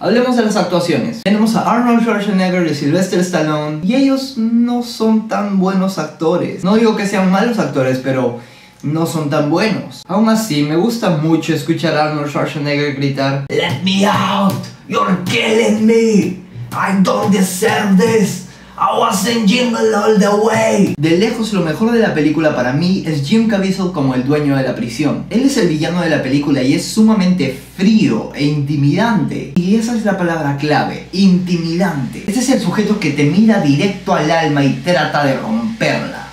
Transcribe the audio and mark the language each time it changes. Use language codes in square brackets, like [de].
[es] Hablemos de las actuaciones. Tenemos a Arnold Schwarzenegger y Sylvester Stallone, y ellos no son tan buenos actores. No digo que sean malos actores, pero no son tan buenos. Aún así, me gusta mucho escuchar a Arnold Schwarzenegger gritar: [en] "Let me out! You're killing me! I don't deserve this! I wasn't Jingle all the way." [es] De lejos, lo mejor de la película para mí es Jim Caviezel como el dueño de la prisión. Él es el villano de la película y es sumamente frío e intimidante. Y esa es la palabra clave: intimidante. Este es el sujeto que te mira directo al alma y trata de romperla.